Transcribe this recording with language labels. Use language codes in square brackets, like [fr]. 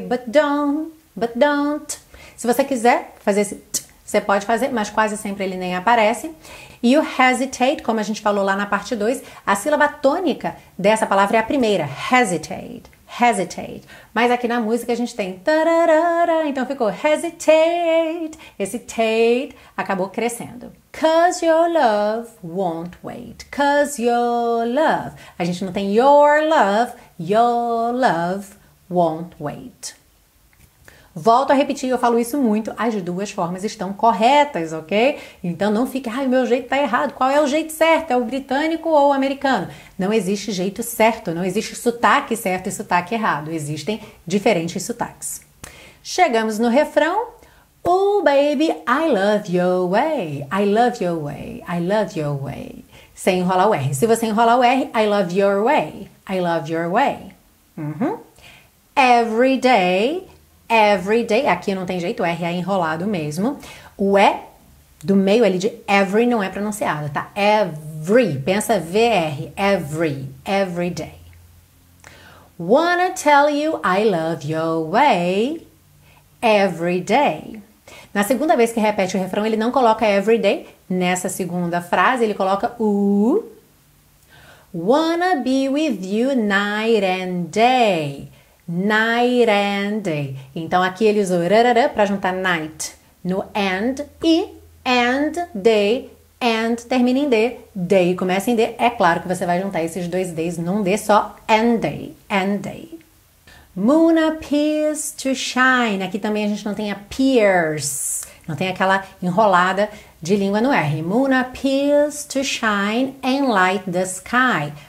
[en] But don't, [pt] se você quiser fazer esse t, você pode fazer, mas quase sempre ele nem aparece. E o hesitate, como a gente falou lá na parte 2, a sílaba tônica dessa palavra é a primeira, hesitate. Hesitate. Mas aqui na música a gente tem tararara, então ficou hesitate. Esse tate acabou crescendo. [en] Cause your love won't wait. Cause your love. [pt] A gente não tem [en] your love won't wait. [pt] Volto a repetir, eu falo isso muito, as duas formas estão corretas, ok? Então não fique, ai, meu jeito tá errado. Qual é o jeito certo? É o britânico ou o americano? Não existe jeito certo, não existe sotaque certo e sotaque errado. Existem diferentes sotaques. Chegamos no refrão. [en] Oh, baby, I love your way. I love your way. I love your way. [pt] Sem enrolar o R. Se você enrolar o R, I love your way. [en] I love your way. Uhum. Every day... Every day, [pt] aqui não tem jeito, o R é enrolado mesmo. O E Do meio ali de every não é pronunciada, tá? Every, pensa VR, [en] every, every day. Wanna tell you I love your way, every day. [pt] Na segunda vez que repete o refrão, ele não coloca every day. Nessa segunda frase, ele coloca o. [en] Wanna be with you night and day. Night and day. [pt] Então, aqui ele usou rarara para juntar night no and e and day. And termina em D, day começa em D. É claro que você vai juntar esses dois Ds num D só. [en] And day, and day. Moon appears to shine. [pt] Aqui também a gente não tem appears. Não tem aquela enrolada de língua no R. [en] Moon appears to shine and light the sky.